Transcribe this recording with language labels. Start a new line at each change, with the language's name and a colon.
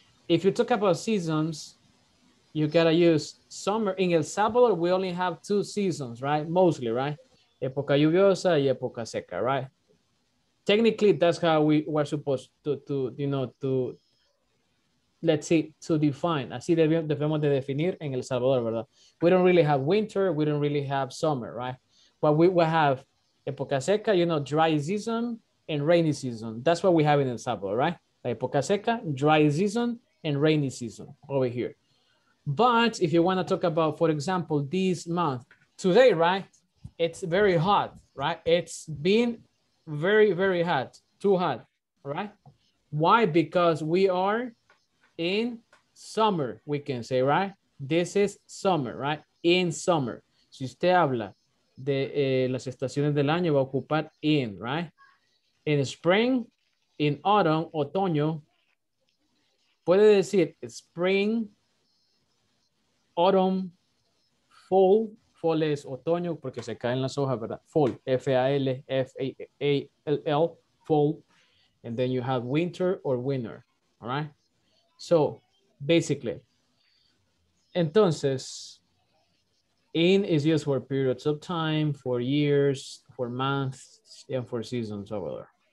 English: If you talk about seasons, you gotta use summer. In El Salvador, we only have two seasons, right? Mostly, right?
Spanish: Época lluviosa y época seca,
English: right? Technically, that's how we were supposed to define.
Spanish: Así debemos de definir en El Salvador, ¿verdad?
English: We don't really have winter. We don't really have summer, right? But we will have época seca, you know, dry season and rainy season. That's what we have in El Salvador, right? La época seca, dry season, and rainy season over here. But if you want to talk about, for example, this month, today, right? It's very hot, right? It's been very, very hot, too hot, right? Why? Because we are in summer, we can say, right? This is summer, right? In summer.
Spanish: Si usted habla de las estaciones del año va a ocupar in, right?
English: In spring, in autumn, otoño.
Spanish: Puede decir
English: spring, autumn, fall.
Spanish: Fall es otoño porque se caen las hojas, ¿verdad?
English: Fall, F-A-L, F-A-L, fall. And then you have winter or winter, all right? So, basically.
Spanish: Entonces,
English: in is used for periods of time, for years, for months, and for seasons over there.